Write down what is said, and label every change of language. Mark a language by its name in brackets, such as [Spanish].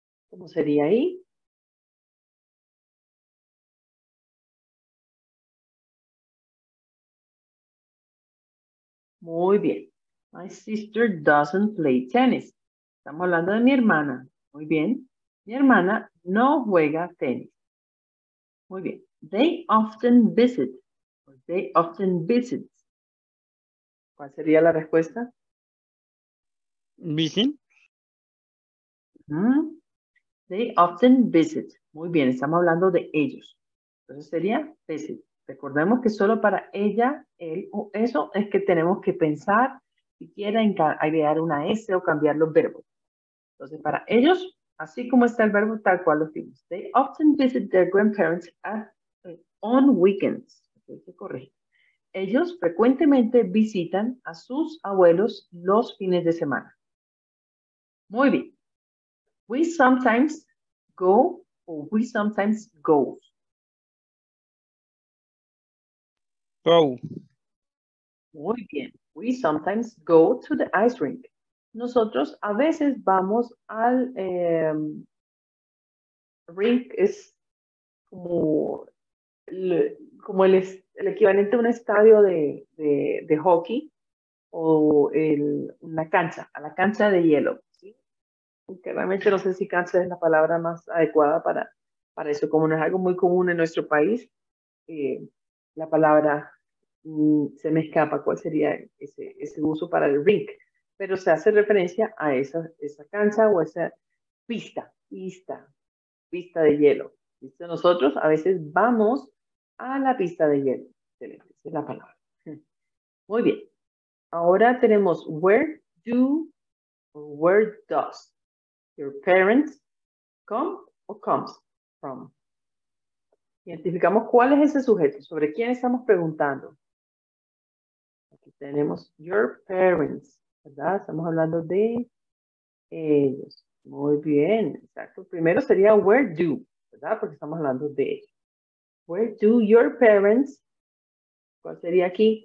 [Spanish] ¿Cómo sería ahí? Muy bien. [English] My sister doesn't play tennis. [Spanish] Estamos hablando de mi hermana. Muy bien. Mi hermana no juega tenis. Muy bien. [English] They often visit. They often visit. [Spanish] ¿Cuál sería la respuesta? [English] Visit. They often visit. [Spanish] Muy bien, estamos hablando de ellos. Entonces sería visit. Recordemos que solo para ella, él o eso es que tenemos que pensar si quiere agregar una S o cambiar los verbos. Entonces para ellos, así como está el verbo tal cual lo vimos. [English] They often visit their grandparents on weekends. [Spanish] Hay que corregir. Ellos frecuentemente visitan a sus abuelos los fines de semana. Muy bien. [English] We sometimes go or we sometimes go. Go. [Spanish] Muy bien. [English] We sometimes go to the ice rink. [Spanish] Nosotros a veces vamos al rink, es como el equivalente a un estadio de hockey o una cancha, a la cancha de hielo. Porque realmente no sé si cancha es la palabra más adecuada para eso. Como no es algo muy común en nuestro país, la palabra se me escapa cuál sería ese uso para el rink. Pero se hace referencia a esa cancha o esa pista de hielo. ¿Listo? Nosotros a veces vamos a la pista de hielo. Esa es la palabra. Muy bien. Ahora tenemos where do o where does. [English] Your parents come or comes from. [Spanish] Identificamos cuál es ese sujeto, sobre quién estamos preguntando. Aquí tenemos [English] your parents, [Spanish] ¿verdad? Estamos hablando de ellos. Muy bien, exacto. Primero sería [English] where do, [Spanish] ¿verdad? Porque estamos hablando de ellos. [English] Where do your parents, [Spanish] ¿cuál sería aquí?